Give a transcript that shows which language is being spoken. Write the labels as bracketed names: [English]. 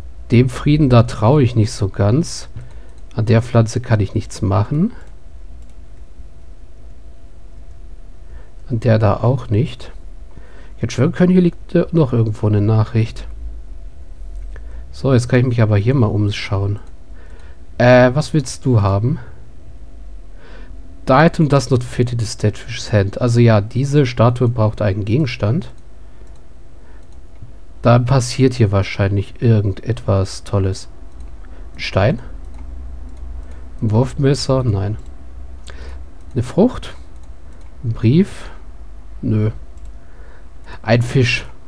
[German] Dem Frieden, da traue ich nicht so ganz. An der Pflanze kann ich nichts machen. An der da auch nicht. Ich hätte schwören können, hier liegt noch irgendwo eine Nachricht. So, jetzt kann ich mich aber hier mal umschauen. Was willst du haben? [English] The item does not fit in the statue's hand. [German] Also ja, diese Statue braucht einen Gegenstand. Dann passiert hier wahrscheinlich irgendetwas Tolles. Ein Stein? Ein Wurfmesser? Nein. Eine Frucht? Ein Brief? Nö. Ein Fisch.